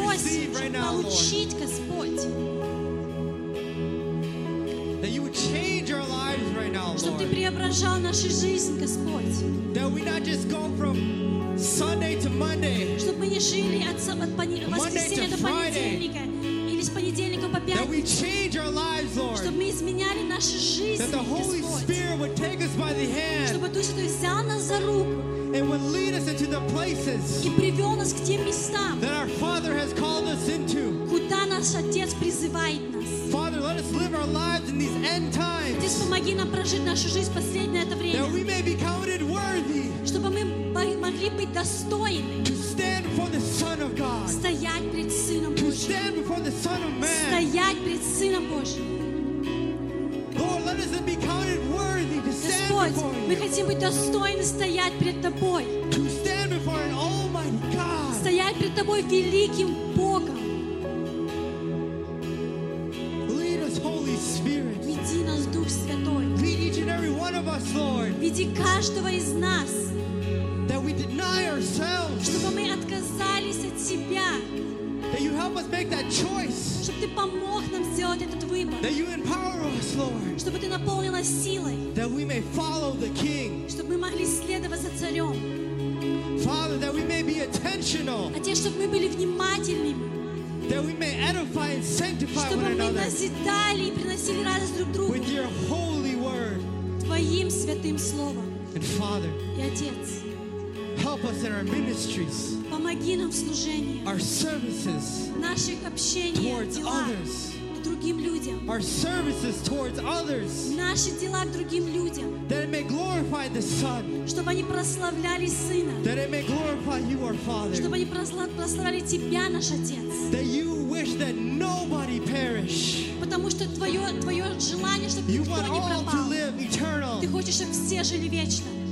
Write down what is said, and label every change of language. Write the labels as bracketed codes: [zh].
[en] to receive right now, Lord. [ru] Получить, Господь. [en] That you would change our lives right now, Lord. [ru] Чтобы ты преображал нашу жизнь, Господь. [en] That we not just go from Sunday to Monday. [ru] Чтобы мы не жили от воскресенья до понедельника или с понедельника по пятницу. [en] That we change our lives, Lord. [ru] Чтобы мы изменяли наши жизни. [en] That the Holy Spirit would take us by the hand. [ru] Чтобы Дух Святой взял нас за руку. [en] And would lead us into the places. [ru] И привел нас к тем местам. [en] That our Father has called us into. [ru] Куда наш Отец призывает нас. [en] Father, let us live our lives in these end times. [ru] Отец, помоги нам прожить нашу жизнь последнее это время. [en] That we may be counted worthy. [ru] Чтобы мы могли быть достойны [en] to stand before the Son of God, [ru] стоять пред Сыном Божьим, [en] to stand before the Son of Man, [ru] стоять пред Сыном Божьим. [en] Lord, let us be counted worthy to stand before [ru] Господь, [en] before you. [ru] Мы хотим быть достойны стоять пред Тобой, [en] to stand before an Almighty God, [ru] стоять пред Тобой великим Богом. [en] Lead us, Holy Spirit. [ru] Веди нас, Дух Святой. [en] Lead each and every one of us, Lord. [ru] Веди каждого из нас. [en] That we deny ourselves. [ru] Чтобы мы отказались от себя. [en] That you help us make that choice. [ru] Чтобы ты помог нам сделать этот выбор. [en] That you empower us, Lord. [ru] Чтобы ты наполнил нас силой. [en] That we may follow the King. [ru] Чтобы мы могли следовать за царем. [en] Father, that we may be intentional. [ru] Отец, чтобы мы были внимательными. [en] That we may edify and sanctify [ru] чтобы [en] one another. [ru] Чтобы мы назидали и приносили радость друг другу. [en] With your holy word. [ru] Твоим святым словом. [en] And Father. [ru] И Отец. [en] Help us in our ministries. [ru] Помоги нам в служении. [en] Our services. [ru] Наших общениях. [en] Towards others. [ru] К другим людям. [en] Our services towards others. [ru] Наши дела к другим людям. [en] That it may glorify the Son. [ru] Чтобы они прославляли Сына. [en] That it may glorify you, our Father. [ru] Чтобы они прославляли тебя, наш Отец. [en] That you wish that nobody perish. [ru] Потому что твое желание, чтобы никто не пропал. [en] You want all to live eternal. [ru] Ты хочешь, чтобы все жили вечно.